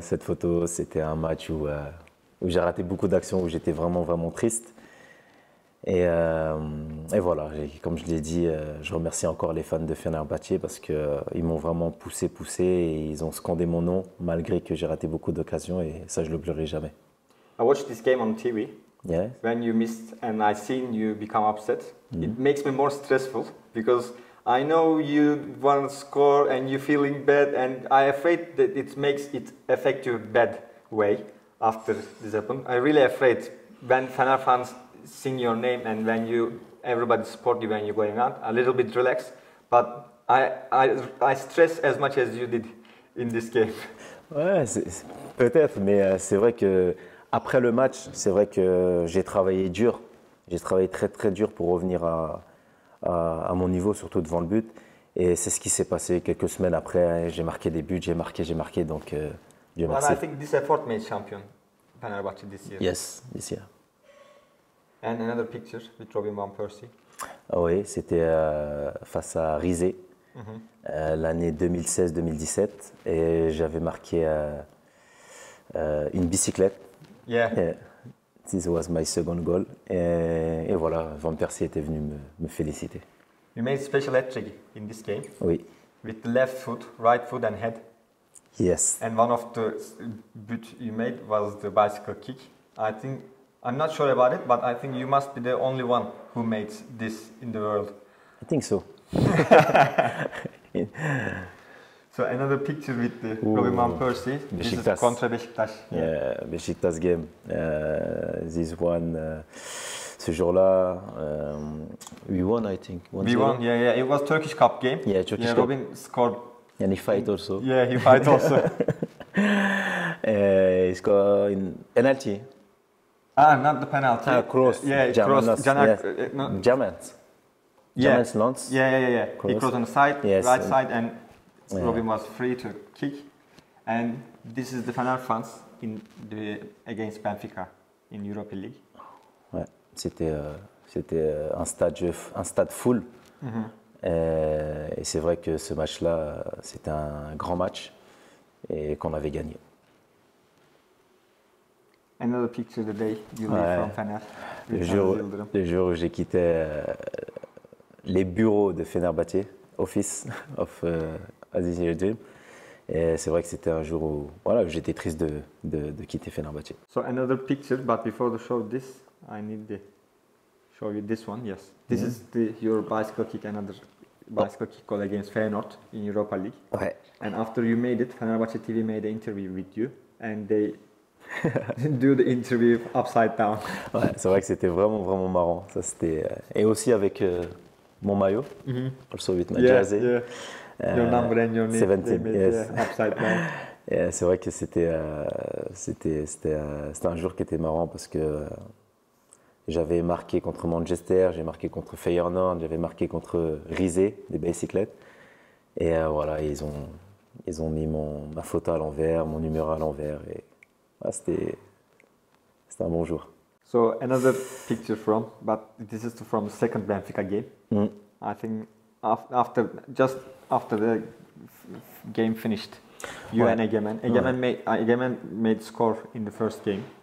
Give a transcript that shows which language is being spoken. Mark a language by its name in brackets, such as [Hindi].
[French] Cette photo, c'était un match où j'ai raté beaucoup d'actions, où j'étais vraiment, vraiment triste. Et voilà, comme je l'ai dit, je remercie encore les fans de Fenerbahçe parce qu'ils m'ont vraiment poussé et ils ont scandé mon nom malgré que j'ai raté beaucoup d'occasions et ça, je ne l'oublierai jamais. [English] I watched this game on TV. Yes. When you missed and I seen you become upset. Mm-hmm. It makes me more stressful because I know you want to score and you're feeling bad and I afraid that it makes it affect you bad way after this happened. I really afraid when Fener fans sing your name and when you everybody support you when you're going out, a little bit relaxed. But I stress as much as you did in this game. [French] Ouais, peut-être, mais c'est vrai que après le match, c'est vrai que j'ai travaillé dur. J'ai travaillé très très dur pour revenir à mon niveau, surtout devant le but. Et c'est ce qui s'est passé quelques semaines après. J'ai marqué des buts, j'ai marqué. Donc, Dieu merci. [English] But I think this effort made champion Fenerbahçe this year. Yes, this year. And another picture with Robin Van Persie. [French] Ah oui, c'était face à Rizé, l'année 2016-2017. Et j'avais marqué une bicyclette. [English] Yeah. This was my second goal. [French] Et voilà, Van Persie était venu me féliciter. [English] You made a special hat-trick in this game. [French] Oui. [English] With the left foot, right foot and head. Yes. And one of the buts you made was the bicycle kick. I think, I'm not sure about it, but I think you must be the only one who made this in the world. I think so. So another picture with the Robin Van Persie. This is contra Beşiktaş. Yeah, Beşiktaş game. This one, [French] ce jour-là, [English] we won, I think. We won. Yeah, yeah. It was Turkish Cup game. Yeah, Turkish Cup. Yeah, Robin scored. And he fight also. Yeah, he fight also. He scored in penalty. Ah, not the penalty. Cross. Yeah, cross. Jamens. Jamens Lons. Yeah. Cross. He crossed on the side, yes, right side, and yeah. Robin was free to kick. And this is the final France in the against Benfica in Europa League. [French] Ouais, c'était un stade full. Et c'est vrai que ce match-là, c'était un grand match et qu'on avait gagné. [English] Another picture of the day you made from Fenerbahçe. [French] Le jour où j'ai quitté les bureaux de Fenerbahçe, [English] office of Aziz Yildirim. [French] Et c'est vrai que c'était un jour où voilà, j'étais triste de quitter Fenerbahçe. [English] So another picture, but before to show this, I need to show you this one. Yes, this is your bicycle kick, another bicycle kick call against Feyenoord in Europa League. [French] Ouais. [English] And after you made it, Fenerbahçe TV made an interview with you, and they do the interview upside down. [French] Ouais, c'est vrai que c'était vraiment vraiment marrant. Ça c'était et aussi avec mon maillot, [English] also with my jersey. Yeah. Your number and your name, 17, yes. Upside down. [French] Et c'est vrai que c'était un jour qui était marrant parce que j'avais marqué contre Manchester, j'ai marqué contre Feyenoord, j'avais marqué contre Rizé, des bicyclettes. Et voilà, ils ont mis ma photo à l'envers, mon numéro à l'envers. Et ouais, c'était un bon jour. [English] So another picture from, but this is from the second Benfica game. I think after the game finished, you and Egemen made score in the first game.